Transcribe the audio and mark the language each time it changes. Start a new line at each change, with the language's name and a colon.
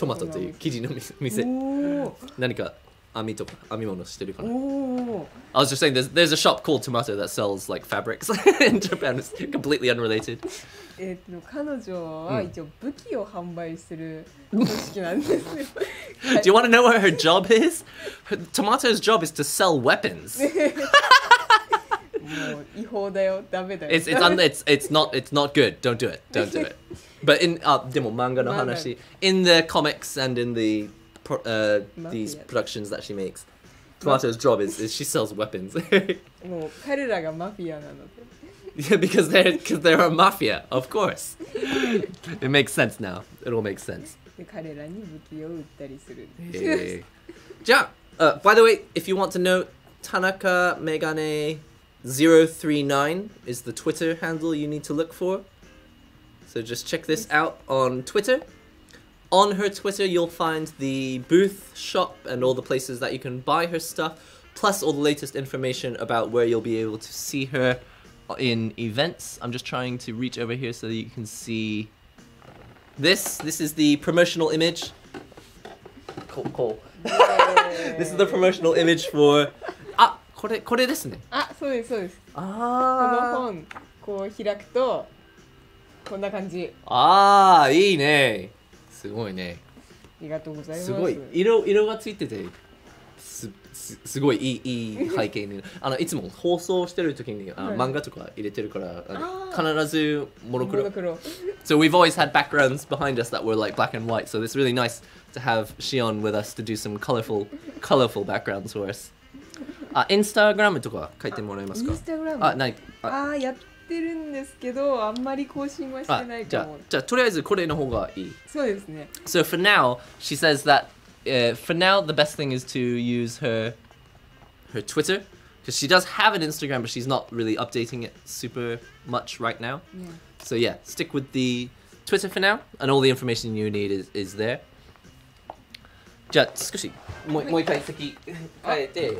Japanese: トマトという生地の店。おお、何か網とか編み物してるかな。
English: I was just saying there's a shop called Tomato that sells like fabrics in Japan. It's completely unrelated.
Japanese: 彼女は一応武器を販売する組織なんです
English: よ。 Do you want to know what her job is? Tomato's job is to sell weapons.
Japanese: もう違法だよ、ダメだよ。
English: It's not good. Don't do it. But in,
Japanese: でも漫画の話、
English: in the comics and in thethese productions that she makes. Tomato's job is she sells weapons.
Japanese: もう彼らがマフィアなので
English: 。 Yeah, because they're a mafia, of course. It makes sense now. It all makes sense.
Japanese: 彼らに武器を売ったりする。じゃあ、
English: by the way, if you want to know, Tanaka Megane 039 is the Twitter handle you need to look for. So just check this out on Twitter. On her Twitter, you'll find the booth shop and all the places that you can buy her stuff, plus all the latest information about where you'll be able to see her in events. I'm just trying to reach over here so that you can see this. This is the promotional image. Cool. This is the promotional image for... Ah,
Japanese: これですね。あ、そうです、そうです。あー。この本、こう開くと、こんな感じ。あー、いいね。すごいね。ありがとうございます。すごい色がついてて、すごいいい背景に。あのいつも放送してる時に、はい、漫画とか入れてるから、必ずモノクロ。
English: So we've always had backgrounds behind us that were like black and white. So it's really nice to have Shion with us to do some colorful backgrounds for us.
Japanese: Instagram とか書いてもらえますか？ Instagram。あ、やっってるんですけど、あんまり更新はしてないかも。じゃあとりあえずこれの方がいい。そうですね。
English: So for now, she says that、for now the best thing is to use her Twitter, because she does have an Instagram, but she's not really updating it super much right now.、 Yeah. So yeah, stick with the Twitter for now, and all the information you need is there.
Japanese: じゃあ少しもう一回先変えて。